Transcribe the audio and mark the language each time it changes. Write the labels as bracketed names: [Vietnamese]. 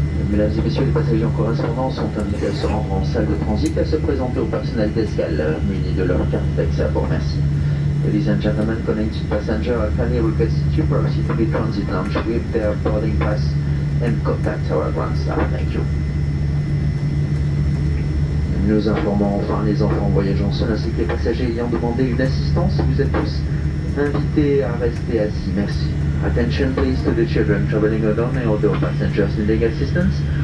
[French] Mesdames et messieurs, les passagers en correspondance sont invités à se rendre en salle de transit et à se présenter au personnel d'escale muni de leur carte d'accès à bord. Merci. [English] Ladies and gentlemen, connected passengers are kindly requested to proceed to the transit lounge with their boarding pass and contact our ground staff. Thank you. [French] Nous informons enfin les enfants voyageant seuls ainsi que les passagers ayant demandé une assistance. Vous êtes tous invités à rester assis. Merci. [English] Attention please to the children traveling alone and other passengers needing assistance.